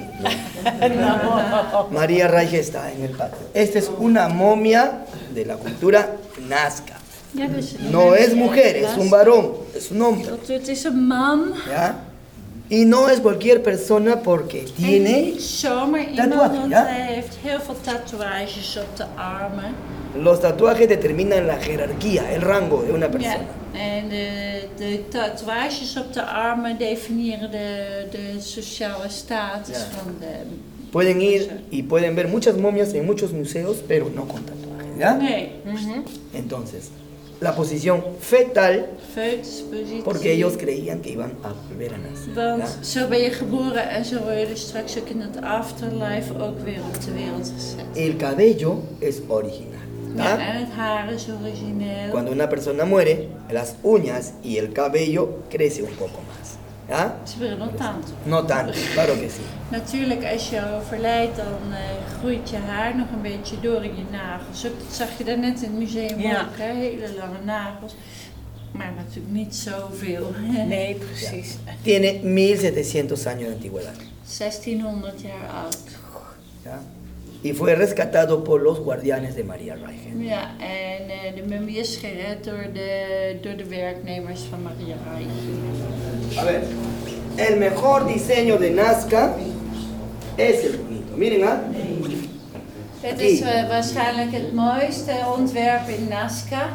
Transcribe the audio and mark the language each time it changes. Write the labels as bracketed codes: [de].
[es] No. María Raige está en el patio. Esta es una momia de la cultura nazca. No es mujer, es un varón, es un hombre. [nl] Het is een man. [es] ¿Ya? Y no es cualquier persona porque tiene tatuajes. [nl] Hij heeft heel veel tatuajes op de armen. [es] Los tatuajes determinan la jerarquía, el rango de una persona. [en] Yeah. [nl] En de tatuajes op de armen definiëren de sociale status van de. [es] Pueden ir y pueden ver muchas momias en muchos museos, pero no con tatuajes, ¿ya? [en] Okay. [es] Entonces, la posición fetal. Feutsposition. Porque ellos creían que iban a volver a nacer. [nl] Want zo ben je geboren en zo word je straks ook in het afterlife ook weer op de wereld gezet. [es] El cabello es original. [nl] Ja, het haar is origineel. [es] Cuando una persona muere, las uñas y el cabello crece un poco más. ¿Ya? [nl] Ze willen [es] no tanto. No tanto, claro que sí. [nl] Natuurlijk, als je overlijdt, dan groeit je haar nog een beetje door in je nagels. Dat zag je daarnet in het museum ook, hè? Hele lange nagels. Maar natuurlijk niet zoveel. Nee, precies. Ja. [es] Tiene 1700 años de antigüedad. [nl] 1600 jaar oud. Ja. [es] Y fue rescatado por los guardianes de María Reichen. [nl] Ja, en de mummie is gered door de werknemers van María Reichen. [es] A ver, el mejor diseño de Nazca es el bonito. Miren, ¿ah? [nl] Het is waarschijnlijk het mooiste ontwerp in Nazca.